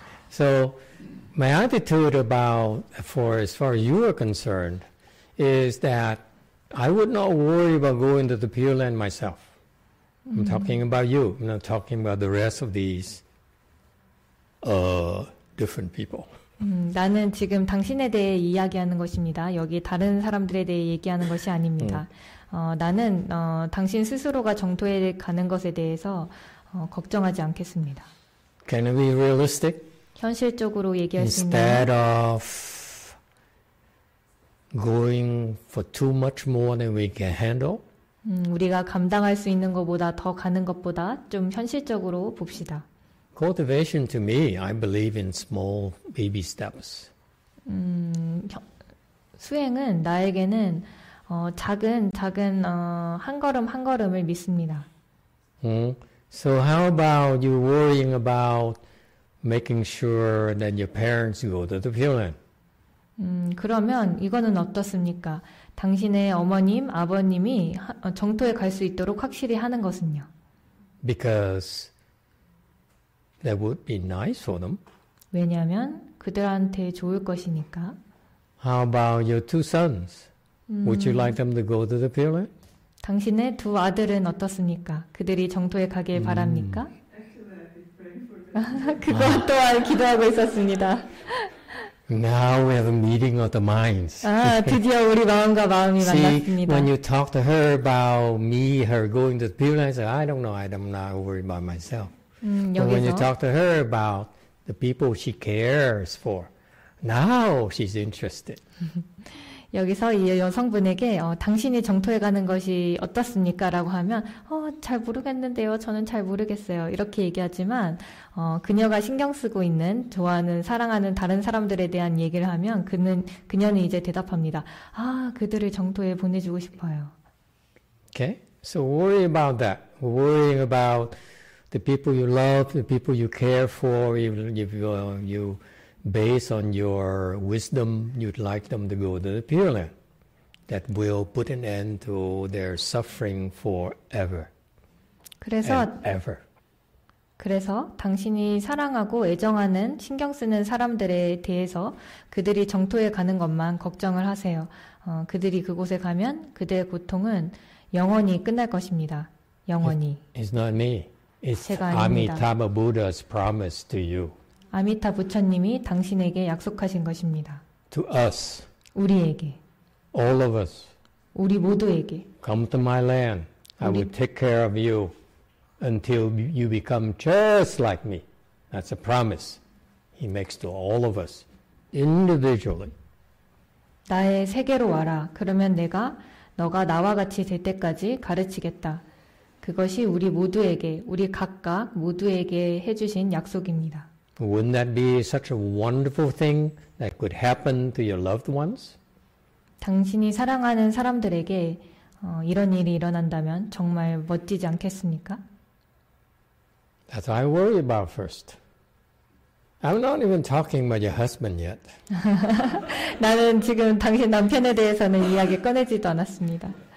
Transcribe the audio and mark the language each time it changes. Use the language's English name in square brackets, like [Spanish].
[English] So my attitude about, as far as you are concerned, is that I would not worry about going to the Pure Land myself. I'm talking about you. I'm not talking about the rest of these different people. [Korean] 나는 지금 당신에 대해 이야기하는 것입니다. 여기 다른 사람들에 대해 얘기하는 것이 아닙니다. 나는 당신 스스로가 정토에 가는 것에 대해서 걱정하지 않겠습니다. [English] Can it be realistic? [Korean] 현실적으로 얘기할 수 있는 [English] Instead of going for too much more than we can handle? [Korean] 우리가 감당할 수 있는 것보다 더 가는 것보다 좀 현실적으로 봅시다. [English] Cultivation to me, I believe in small baby steps. [Korean] 수행은 나에게는 작은 한 걸음 한 걸음을 믿습니다. [English] So how about you worrying about making sure that your parents go to the Pure Land? [Korean] 그러면 이거는 어떻습니까? 당신의 어머님, 아버님이 정토에 갈 수 있도록 확실히 하는 것은요? [English] Because that would be nice for them. [Korean] 왜냐하면 그들한테 좋을 것이니까. [English] How about your two sons? Would you like them to go to the Pure Land? [Korean] 당신의 두 아들은 어떻습니까? 그들이 정토에 가길 바랍니까? [English] Actually, I've been praying for them. [Korean] 그것 또한 기도하고 있었습니다. [English] Now we have a meeting of the minds. [Korean] 아, 드디어 우리 마음과 마음이 [English] See, [Korean] 만났습니다. [English] When you talk to her about me, her going to the people, I say, I don't know, I'm not worried about myself. But when you talk to her about the people she cares for, now she's interested. [Korean] 여기서 이 여성분에게 당신이 정토에 가는 것이 어떻습니까? 라고 하면 잘 모르겠는데요. 저는 잘 모르겠어요. 이렇게 얘기하지만 그녀가 신경 쓰고 있는, 좋아하는, 사랑하는 다른 사람들에 대한 얘기를 하면 그녀는 이제 대답합니다. 아, 그들을 정토에 보내주고 싶어요. [English] Okay. So worry about that. Worrying about the people you love, the people you care for, if you based on your wisdom, you'd like them to go to the Pure Land. That will put an end to their suffering forever. [Korean] 그래서, [English] and ever. [Korean] 그래서 당신이 사랑하고 애정하는, 신경 쓰는 사람들에 대해서 그들이 정토에 가는 것만 걱정을 하세요. 그들이 그곳에 가면 그들의 고통은 영원히 끝날 것입니다. 영원히. [English] It's not me. It's Amitabha Buddha's promise to you. [Korean] 아미타 부처님이 당신에게 약속하신 것입니다. [English] To us. [Korean] 우리에게. [English] All of us. [Korean] 우리 모두에게. [English] Come to my land. I will take care of you until you become just like me. That's a promise he makes to all of us individually. [Korean] 나의 세계로 와라. 그러면 내가 너가 나와 같이 될 때까지 가르치겠다. 그것이 우리 모두에게, 우리 각각 모두에게 해주신 약속입니다. [English] Wouldn't that be such a wonderful thing that could happen to your loved ones? [Korean] 당신이 사랑하는 사람들에게 이런 일이 일어난다면 정말 멋지지 않겠습니까? [English] That's what I worry about first. I'm not even talking about your husband yet. [Korean] 나는 지금 당신 남편에 대해서는 이야기 꺼내지도 않았습니다.